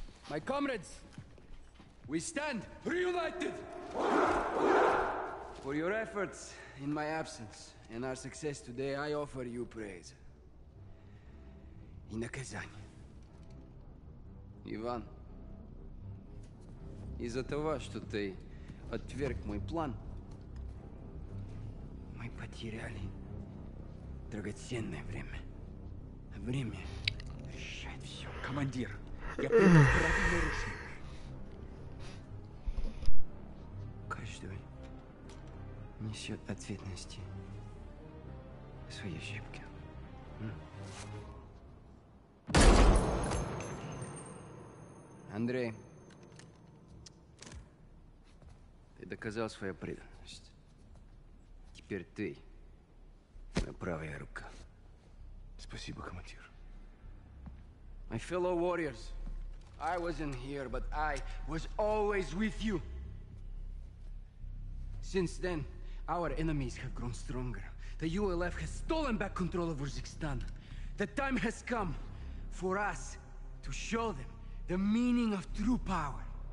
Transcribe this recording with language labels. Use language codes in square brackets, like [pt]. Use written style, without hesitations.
[en] My comrades, we stand reunited! For your efforts in my absence and our success today, I offer you praise. In the Kazan. [ru] Иван, из-за того, что ты отверг мой план, мы потеряли драгоценное время. Время решает все. Командир, я принял правильное решение. Каждый несет ответственность за свои ошибки. Андрей, ты доказал свою преданность. Теперь ты моя правая рука. Спасибо, командир. [en] My fellow warriors, I wasn't here, but I was always with you. Since then, our enemies have grown stronger. The ULF has stolen back control of Uzbekistan. The time has come for us to show them the meaning of true power.